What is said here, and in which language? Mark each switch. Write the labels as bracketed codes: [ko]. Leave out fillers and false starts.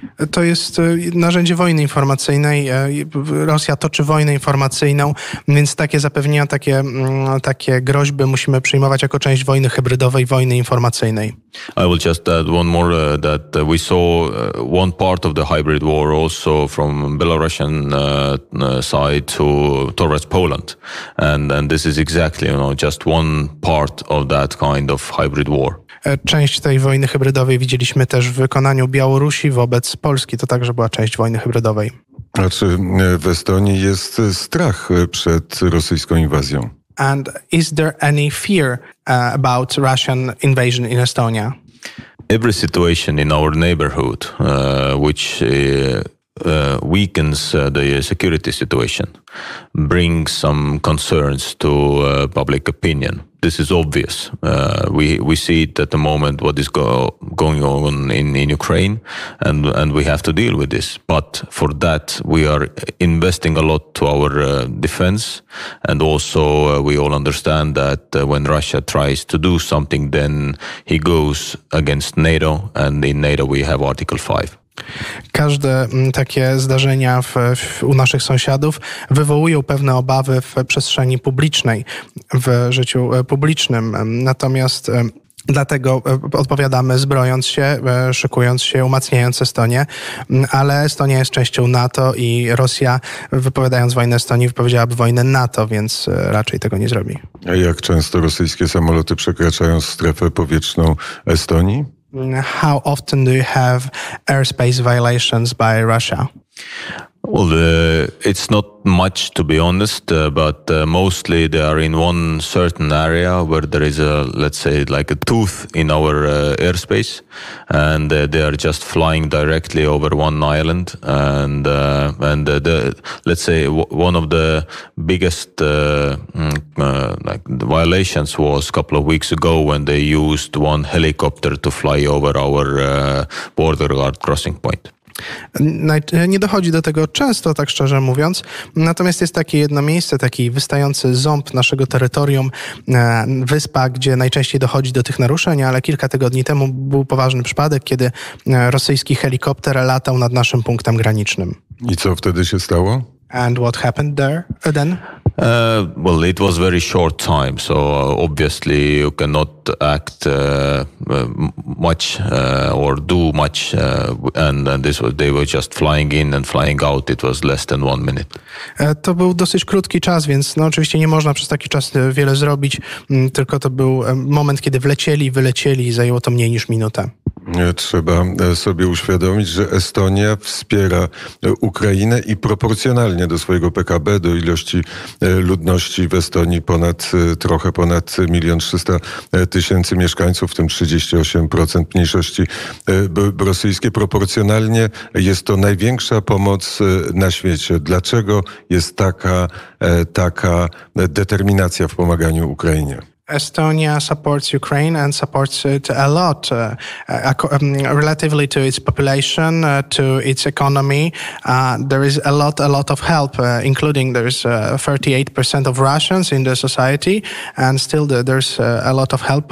[pl] To jest narzędzie wojny informacyjnej. Rosja toczy wojnę informacyjną, więc takie zapewnienia, takie groźby musimy przyjmować jako część wojny hybrydowej, wojny informacyjnej. [en] I will just add one more that we saw one part of the hybrid war also from Belarusian side towards Poland, and this is exactly, you know, just one part of that kind of hybrid war. [pl] Część tej wojny hybrydowej widzieliśmy też w wykonaniu Białorusi wobec Polski. To także była część wojny hybrydowej. A czy w Estonii jest strach przed rosyjską inwazją? [en] And is there any fear about Russian invasion in Estonia? Every situation in our neighborhood, which weakens the security situation, brings some concerns to public opinion. This is obvious. We see it at the moment, what is going on in Ukraine, and we have to deal with this. But for that, we are investing a lot to our defense. And also, we all understand that when Russia tries to do something, then he goes against NATO. And in NATO, we have Article 5. [pl] Każde takie zdarzenia u naszych sąsiadów wywołują pewne obawy w przestrzeni publicznej, w życiu publicznym. Natomiast dlatego odpowiadamy zbrojąc się, szykując się, umacniając Estonię, ale Estonia jest częścią NATO i Rosja, wypowiadając wojnę Estonii, wypowiedziałaby wojnę NATO, więc raczej tego nie zrobi. A jak często rosyjskie samoloty przekraczają strefę powietrzną Estonii? [en] How often do you have airspace violations by Russia? Well, it's not much, to be honest, but mostly they are in one certain area where there is a, let's say, like a tooth in our airspace, and they are just flying directly over one island, and one of the biggest violations was a couple of weeks ago when they used one helicopter to fly over our border guard crossing point. [pl] Nie dochodzi do tego często, tak szczerze mówiąc, natomiast jest takie jedno miejsce, taki wystający ząb naszego terytorium, wyspa, gdzie najczęściej dochodzi do tych naruszeń, ale kilka tygodni temu był poważny przypadek, kiedy rosyjski helikopter latał nad naszym punktem granicznym. I co wtedy się stało? [en] And what happened there then? Well, it was very short time, so obviously you cannot act much or do much. And they were just flying in and flying out. It was less than 1 minute. [pl] To był dosyć krótki czas, więc no, oczywiście nie można przez taki czas wiele zrobić, tylko to był moment, kiedy wlecieli, wylecieli i zajęło to mniej niż minutę. Trzeba sobie uświadomić, że Estonia wspiera Ukrainę i proporcjonalnie do swojego PKB, do ilości ludności w Estonii trochę ponad 1 300 000 mieszkańców, w tym 38% mniejszości rosyjskiej. Proporcjonalnie jest to największa pomoc na świecie. Dlaczego jest taka determinacja w pomaganiu Ukrainie? [en] Estonia supports Ukraine and supports it a lot, relatively to its population, to its economy. There is a lot of help, including there's 38% of Russians in the society, and still there's a lot of help.